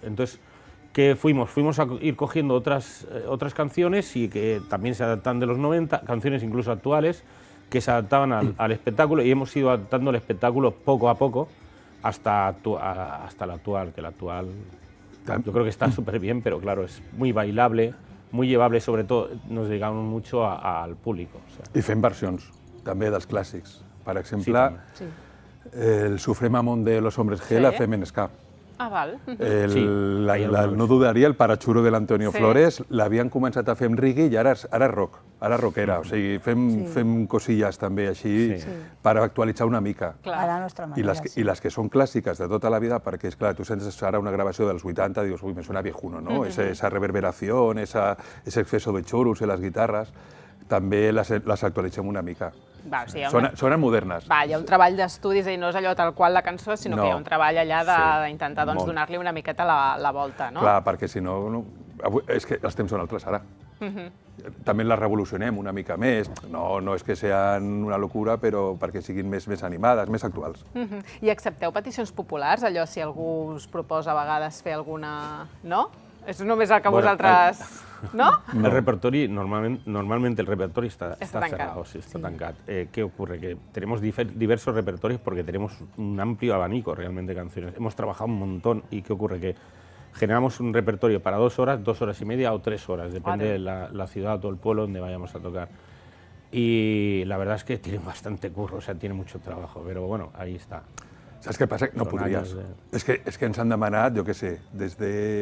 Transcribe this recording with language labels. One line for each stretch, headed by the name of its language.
Spanish: Entonces, que fuimos a ir cogiendo otras canciones y que también se adaptan de los 90, canciones incluso actuales, que se adaptaban al espectáculo, y hemos ido adaptando el espectáculo poco a poco hasta el actual, que el actual yo creo que está súper bien, pero claro, es muy bailable, muy llevable, sobre todo nos dedicamos mucho al público. O sea. Y fent versions también de los clásicos, por ejemplo, el Sufre Mamón de los Hombres G,
Catalan: la fem en ska. No dudaria, el Parachuro de l'Antonio Flores, l'havien començat a fer amb reggae i ara és rock, ara rockera, o sigui, fem cosillas també així per actualitzar una mica. A la nostra manera, I les que són clàssiques de tota la vida, perquè és clar, tu sents ara una gravació dels 80, dius, ui,
Spanish: me suena viejuno, no? Esa reverberación, ese exceso de churros en las guitarras,
Catalan: també les actualitzem una mica. Sonen modernes. Hi ha un treball d'estudis, no és allò tal qual la cançó, sinó que hi ha un treball allà d'intentar donar-li una miqueta la volta. Clar, perquè si no, és que els temps són altres ara. També les revolucionem una mica més, no és que siguin una locura, però perquè siguin més animades, més actuals. I accepteu peticions populars, allò si algú us proposa a vegades fer alguna... No? És només el que vosaltres...
Spanish: ¿No? El repertori, normalmente el repertori está cerrado, sí, está tancat. ¿Qué ocurre? Que tenemos diversos repertorios porque tenemos un amplio abanico realmente de canciones. Hemos trabajado un montón y ¿qué ocurre? Que generamos un repertorio para dos horas y media o tres horas, depende de la ciudad o el pueblo donde vayamos a tocar. Y la verdad es que tiene bastante curro, o sea, tiene mucho trabajo, pero bueno, ahí está.
Catalan: Saps què passa? No podries. De... És que ens han demanat, jo què sé, des de...